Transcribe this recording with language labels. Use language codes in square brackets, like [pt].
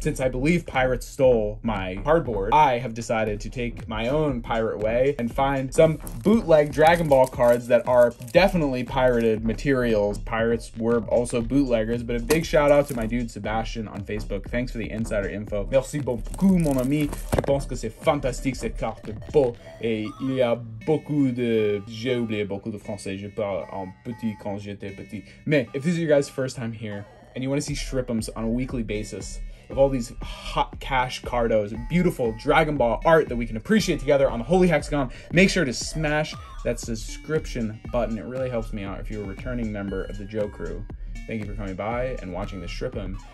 [en] Since I believe pirates stole my cardboard, I have decided to take my own pirate way and find some bootleg Dragon Ball cards that are definitely pirated materials. Pirates were also bootleggers, but a big shout out to my dude Sebastian on Facebook. Thanks for the insider info. [fr] Merci beaucoup, mon ami. Je pense que c'est fantastique, cette carte beau. Et il y a beaucoup de... J'ai oublié beaucoup de français. Je parle en petit quand j'étais petit. [en] Mais, if this is your guys' first time here, and you want to see Shrip'ms on a weekly basis, of all these hot cash cardos, beautiful Dragon Ball art that we can appreciate together on the Holy Hexagon, make sure to smash that subscription button. It really helps me out if you're a returning member of the JOHKU. Thank you for coming by and watching the Shrip'm.